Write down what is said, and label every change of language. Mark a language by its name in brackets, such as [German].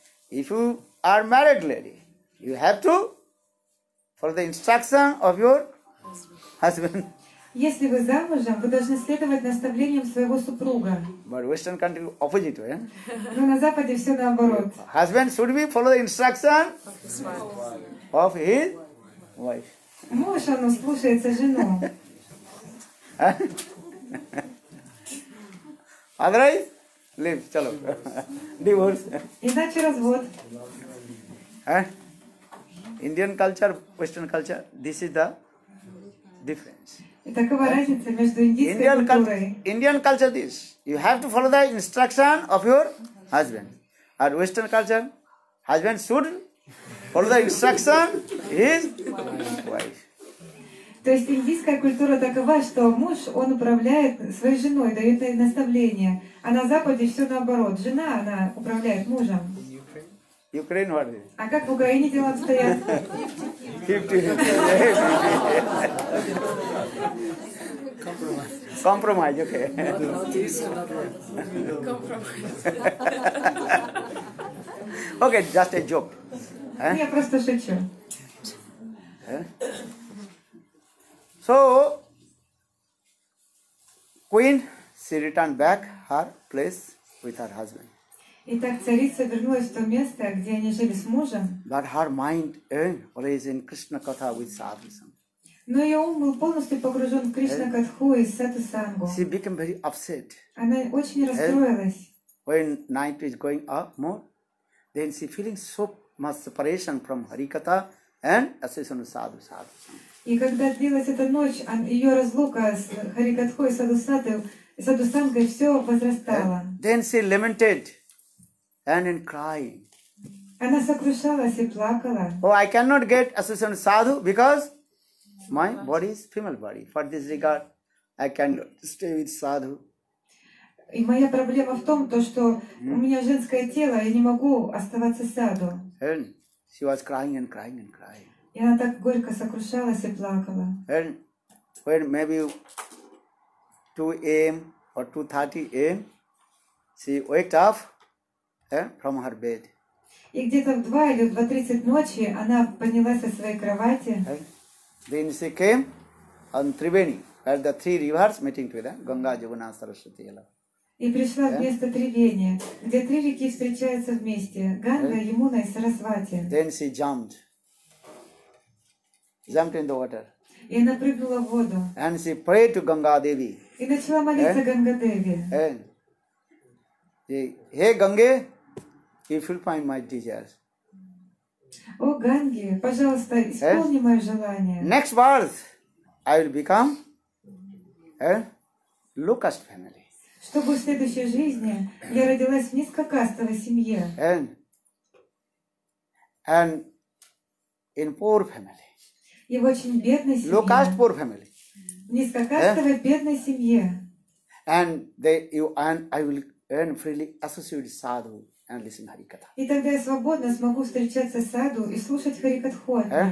[English] If you are married lady, you have to follow the instruction of your husband. [Russian] Если вы замужем, вы должны следовать наставлениям своего супруга. [English] But Western country opposite, yeah? [Russian] Но на Западе все наоборот. [English] Husband should be follow the instruction of his wife. [Russian] Муж, он слушается жену. [English] Otherwise, leave, чало. Divorce. [Russian] Иначе развод. [English] Indian culture, Western culture, this is the difference. [Russian] И такова разница между индийской культурой. [English] Indian culture this. You have to follow the instruction of your husband. And Western culture, husband should follow the instruction of his wife. [Russian] То есть индийская культура такова, что муж, он управляет своей женой, дает ей наставления. А на Западе все наоборот. Жена, она управляет мужем. [English] Ukraine what? [Russian] А как в Украине дела обстоят? [English] 50-50. Compromise, okay. Compromise. Okay, just a joke. [Russian] Я просто шучу. [English] So, queen, she returned back her place with her husband. [Russian] Итак, царица вернулась в то место, где они жили с мужем. [English] But her mind always in Krishna katha with sadhusam. [Russian] Но ее ум был полностью погружен в Кришна катху и сатусангу. [English] She became very upset. [Russian] Она очень расстроилась. [English] When night is going up more, then she feeling so my separation from Harikatha and association with Sadhu Sadhu. [Russian] И когда длилась эта ночь, ее разлука с Харикатхой и Садусангой все возрастало. [English] Then she lamented and in crying. [Russian] Она сокрушалась и плакала. [English] Oh, I cannot get association with Sadhu because my body is female body. For this regard, I cannot stay with Sadhu. [Russian] И моя проблема в том, что у меня женское тело, я не могу оставаться Sadhu. [English] And she was crying and crying and crying. [Russian] И она так горько сокрушалась и плакала. [English] And when maybe 2 a.m. or 2:30 a.m. she waked up from her bed. [Russian] И где-то в 2 или 2:30 ночи она поднялась со своей кровати. [English] And then she came on Tribeni, where the three rivers meeting together, Ganga, Jamuna, Saraswati. [Russian] И пришла в место Tribeni, где три реки встречаются вместе, Ганга, Ямуна и Сарасвати. [English] Then she jumped. Jumped in the water. [Russian] И она прыгнула в воду. [English] And she prayed to Ganga Devi. [Russian] И начала молиться Ганга Деви. [English] And hey Ganga, if you find my desires. [Russian] О Ганге, пожалуйста, исполни мое желание. [English] Next birth, I will become Lucas family. [Russian] Чтобы в следующей жизни я родилась в низкокастовой семье. [English] And in poor family. [Russian] И в очень бедной семье. [English] Low caste poor family. [Russian] Низкокастовой бедной семье. [English] And they, you, and I will earn freely associate with Sadhu and listen Harikatha. [Russian] И тогда я свободно смогу встречаться с Sadhu и слушать Харикатху.